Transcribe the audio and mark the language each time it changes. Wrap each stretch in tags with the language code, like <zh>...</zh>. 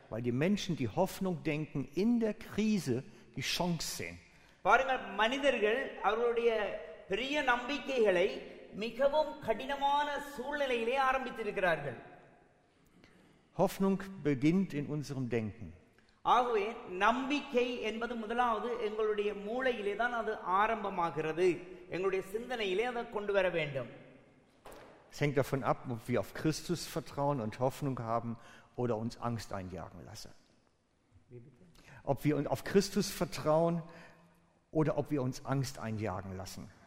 <de>Weil die Menschen, die Hoffnung denken, in der Krise die Chance sehen.</de> <ta>பாருங்கள் மனிதர்கள் அவர்களுடைய பெரிய நம்பிக்கைகளை மிகவும் கடினமான சூழ்நிலையிலே ஆரம்பித்திருக்கிறார்கள்.</ta> <de>Hoffnung beginnt in unserem Denken.</de> <ta>ஆகவே நம்பிக்கை என்பது முதலாவது எங்களுடைய மூளையிலே தான் அது ஆரம்பமாகிறது. எங்களுடைய சிந்தனையிலே அதை கொண்டு வர வேண்டும்.</ta> <de>Es hängt davon ab, ob wir auf Christus vertrauen und Hoffnung haben oder uns Angst einjagen lassen. Ob wir auf Christus vertrauen oder ob wir uns Angst einjagen lassen.</de>